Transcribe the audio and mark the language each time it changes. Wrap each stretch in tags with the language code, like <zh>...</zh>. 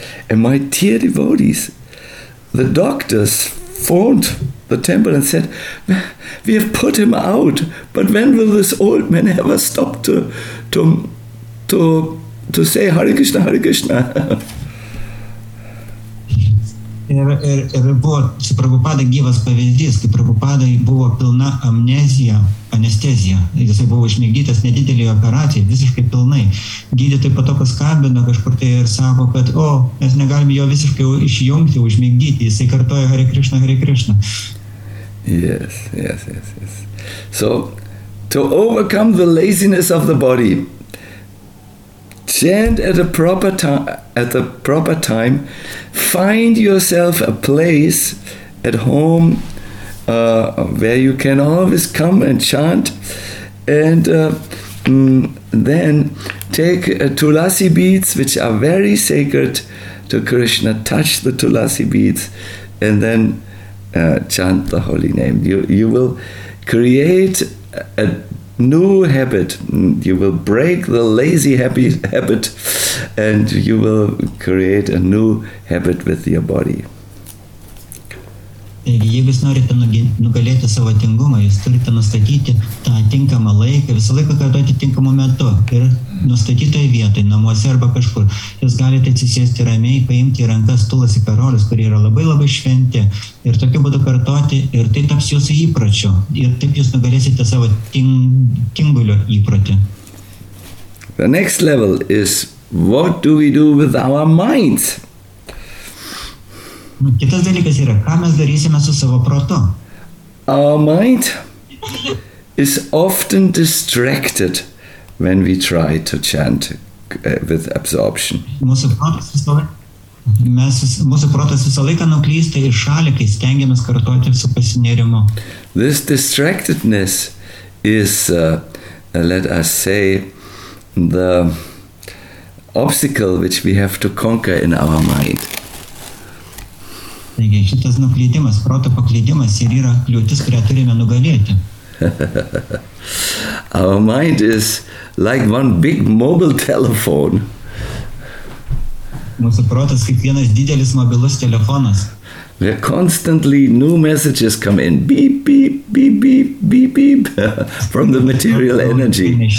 <en>And my dear devotees, the doctors phoned the temple and said, we have put him out, but when will this old man ever stop to say Hare Krishna, Hare Krishna?</en> <lt>Ir buvo su Prabhupada gyvas pavyzdys, kai Prabhupada buvo pilna amnezija, anestezija. Jis buvo išmėgdytas nedidelį operaciją, visiškai pilnai. Gydytojai po to paskambino kažkur tai ir sako, kad o, mes negalime jo visiškai išjungti, užmėgdyti. Jisai kartoja Hare Krishna, Hare Krishna.</lt> <en>Yes, yes, yes, yes. So, to overcome the laziness of the body, chant at a proper time. At the proper time, find yourself a place at home where you can always come and chant, and then take tulasi beads, which are very sacred to Krishna. Touch the tulasi beads, and then chant the holy name. You will create a new habit. You will break the lazy habit and you will create a new habit with your body.</en> <lt>Jeigu jūs norite nugalėti savo tingumą, jūs turite nustatyti tą tinkamą laiką, visą laiką kartuoti tinkamu metu ir nustatytoje vietoje, namuose arba kažkur. Jūs galite atsisėsti ramiai, paimti į rankas tulasi karolius, kurie yra labai labai šventi ir tokiu būdu kartuoti ir tai taps jūsų įpročiu ir taip jūs nugalėsite savo tingulio įpratį.</lt> <en>The next level is what do we do with our minds?</en> <lt>Kitas dalykas yra, ką mes darysime su savo protu.</lt> <en>Our mind is often distracted when we try to chant with absorption.</en> <lt>Mūsų protas visą laiką nuklysta į šalį, kai stengiamės kartuoti su pasinėrimu.</lt> <en>This distractedness is, let us say, the obstacle which we have to conquer in our mind.</en> <lt>Taigi, šitas nuklydimas, proto paklydimas ir yra kliūtis, kurią turime nugalėti.</lt> <en>Our mind is like one big mobile telephone.</en> <lt>Mūsų protas kaip vienas didelis mobilus telefonas.</lt> <en>where constantly new messages come in, beep, beep, beep, beep, beep, beep, from the material energy.</en>